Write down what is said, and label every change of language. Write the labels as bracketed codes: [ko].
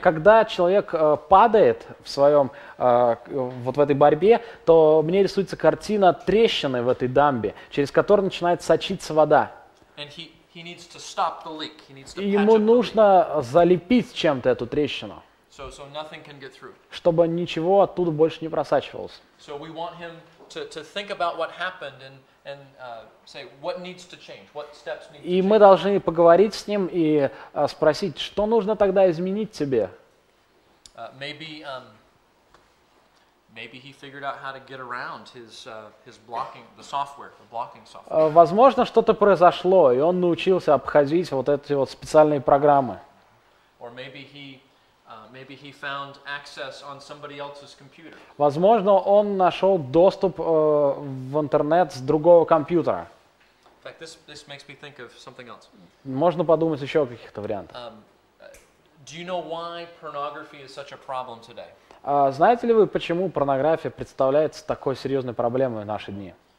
[ru] когда человек падает в своем, вот в этой борьбе, то мне рисуется картина трещины в этой дамбе, через которую начинает сочиться вода. [en] He needs to stop the leak. He needs to patch [ru] Ему нужно залепить чем-то эту трещину, [en] so nothing can get through. [ru] Чтобы ничего оттуда больше не просачивалось. [en] So we want him to think about what happened and say what needs to change, what steps need to change. [ru] И мы должны поговорить с ним и спросить, что нужно тогда изменить тебе. [en] Maybe he figured out how to get around his blocking the software, the blocking software. [ru] Возможно, что-то произошло, и он научился обходить вот эти вот специальные программы. [en] Or maybe he found access on somebody else's computer. [ru] Возможно, он нашел доступ в интернет с другого компьютера. [en] In fact, this makes me think of something else. [ru] Можно подумать еще о каких-то вариантах. [en] Do you know why pornography is such a problem today? [ru] Знаете ли вы, почему порнография представляется такой серьезной проблемой в наши дни?